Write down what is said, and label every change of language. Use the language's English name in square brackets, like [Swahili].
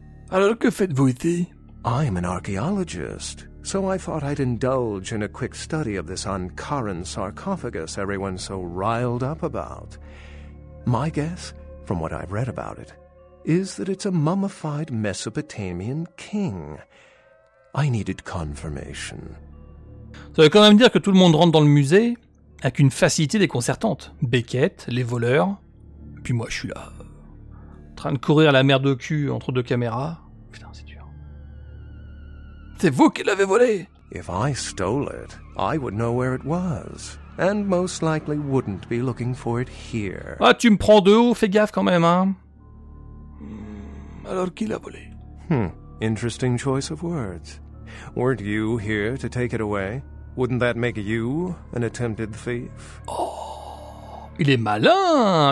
[French] Alors, que faites-vous ici? [English] I'm an archaeologist, so I thought I'd indulge in a quick study of this Ankaran sarcophagus everyone's so riled up about. My guess, from what I've read about it, is that it's a mummified Mesopotamian king. I needed confirmation. [French] Ça veut quand même dire que tout le monde rentre dans le musée avec une facilité déconcertante. Beckett, les voleurs, et puis moi je suis là, en train de courir à la merde au cul entre deux caméras. Putain, c'est dur. C'est vous qui l'avez volé. [English] If I stole it, I would know where it was, and most likely wouldn't be looking for it here. [French] Ah, tu me prends de haut, fais gaffe quand même, hein. Alors qui l'a volé? [English] Interesting choice of words. Weren't you here to take it away? Wouldn't that make you an attempted thief? [French] Oh, il est malin!